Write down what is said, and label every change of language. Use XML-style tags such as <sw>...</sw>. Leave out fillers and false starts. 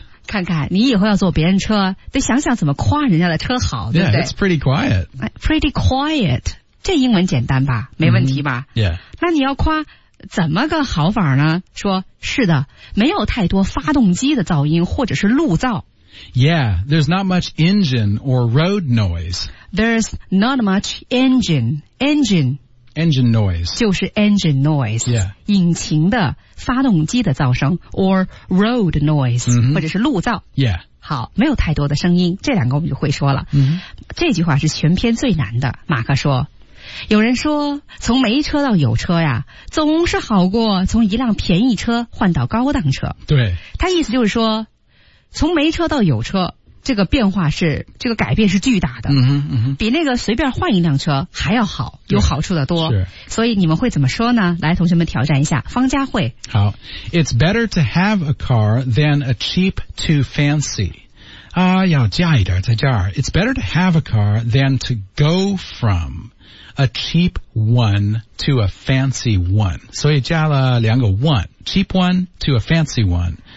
<zh>看看你以后要坐别人车得想想怎么夸人家的车好对不对</zh> <en>Yeah, it's pretty quiet. Pretty quiet.</en> <zh>这英文简单吧没问题吧、mm-hmm.</zh> <en>Yeah.</en> <zh>那你要夸怎么个好法呢说是的没有太多发动机的噪音或者是路噪。</zh> <en>Yeah, there's not much engine or road noise. There's not much engine. Engine. Engine noise.</en> <zh>就是</zh> <en>engine noise. Yeah.</en> <zh>引擎的发动机的噪声</zh> <en>or road noise,、 mm-hmm.</en> <zh>或者是路噪。</zh> <en>Yeah.</en> <zh>好没有太多的声音这两个我们就会说了。 Mm-hmm. 这句话是全篇最难的马克说。有人说从没车到有车呀总是好过从一辆便宜车换到高档车。对。他意思就是说从没车到有车这个变化是这个改变是巨大的、嗯嗯、比那个随便换一辆车还要好有好处的多是所以你们会怎么说呢来同学们挑战一下方佳慧</zh> <en>好 It's better to have a car than a cheap too fancy、</en> <zh>要加一点在这儿</zh> <en>It's better to have a car than to go from a cheap one to a fancy one</en> <zh>所以加了两个</zh> <en>one cheap one to a fancy one</en>